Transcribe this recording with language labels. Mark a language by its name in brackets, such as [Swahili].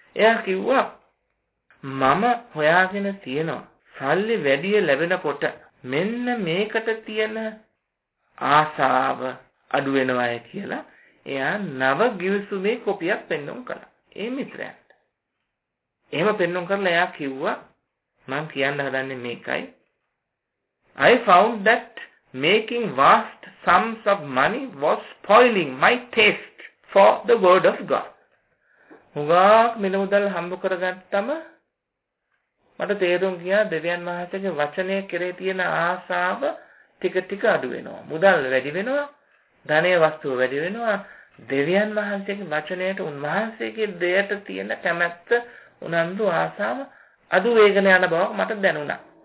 [Sinhala] එයා කිව්වා මම හොයාගෙන තියෙනවා සල්ලි වැඩි ලැබෙනකොට මෙන්න මේකට තියෙන ආසාව අඩු වෙනවායි කියලා. එයා නව ගිවිසුමේ කොපියක් පෙන්වන්න කළා ඒ මිත්‍රයාට. එහෙම පෙන්වන්න කරලා එයා කිව්වා මම කියන්න හදන්නේ මේකයි. [English] I found that making vast sums of money was spoiling my taste for the word of God. [Sinhala] හුඟක් මිල මුදල් හම්බ කරගත්තම මට තේරුම් ගියා දෙවියන් වහන්සේගේ වචනය කෙරේ තියෙන ආසාව ටික ටික අඩු වෙනවා. මුදල් වැඩි වෙනවා, ධනේ වස්තුව වැඩි වෙනවා. දෙවියන් වහන්සේගේ වචනයට, උන්වහන්සේගේ දෙයට තියෙන කැමැත්ත, උනන්දු, ආසාව අඩු වේගන යන බව මට දැනුණා.